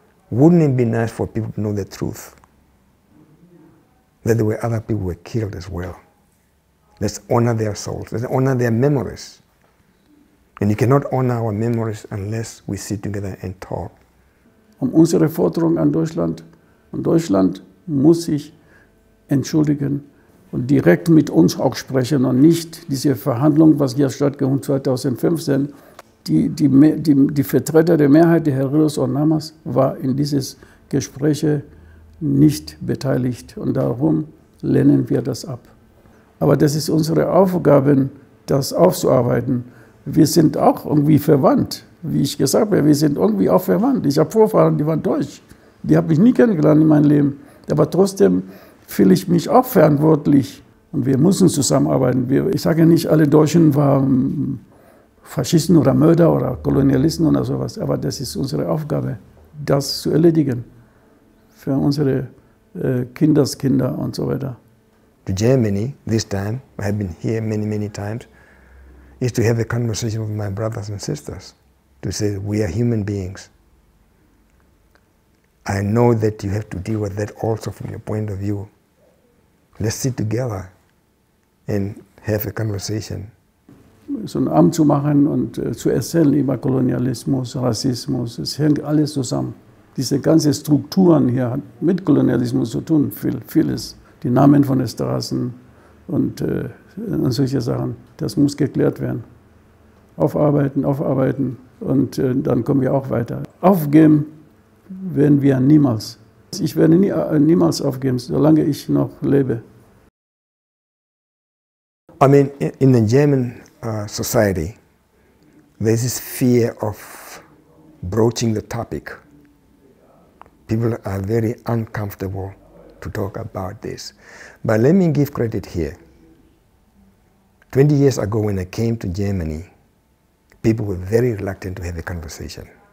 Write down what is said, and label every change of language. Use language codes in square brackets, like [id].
[en] Wouldn't it be nice for people to know the truth? That there were other people who were killed as well. Let's honor their souls. Let's honor their memories. And you cannot honor our memories unless we sit together and talk. [de] Um unsere Forderung an Deutschland. Und Deutschland muss sich entschuldigen und direkt mit uns auch sprechen und nicht diese Verhandlung, was hier stattgefunden 2015. Die Vertreter der Mehrheit der Hereros und Namas war in dieses Gespräch nicht beteiligt und darum lehnen wir das ab. Aber das ist unsere Aufgabe, das aufzuarbeiten. Wir sind auch irgendwie verwandt, wie ich gesagt habe, wir sind irgendwie auch verwandt. Ich habe Vorfahren, die waren deutsch. Die habe ich nie kennengelernt in meinem Leben. Aber trotzdem fühle ich mich auch verantwortlich und wir müssen zusammenarbeiten. Ich sage nicht, alle Deutschen waren Faschisten oder Mörder oder Kolonialisten oder sowas, aber das ist unsere Aufgabe, das zu erledigen. Für unsere Kinderskinder und so weiter. [en] To Germany, this time, I have been here many, many times, is to have a conversation with my brothers and sisters, to say, we are human beings. I know that you have to deal with that also from your point of view. Let's sit together and have a conversation. [de] So ein Amt zu machen und zu erzählen über Kolonialismus, Rassismus, es hängt alles zusammen. Diese ganze Strukturen hier hat mit Kolonialismus zu tun, vieles. Die Namen von den Straßen und solche Sachen, das muss geklärt werden. Aufarbeiten und dann kommen wir auch weiter. Aufgeben werden wir niemals. Ich werde niemals aufgeben, solange ich noch lebe. [en] I mean, in the German society, there is this fear of broaching the topic. People are very uncomfortable to talk about this. But let me give credit here. 20 years ago when I came to Germany, people were very reluctant to have a conversation.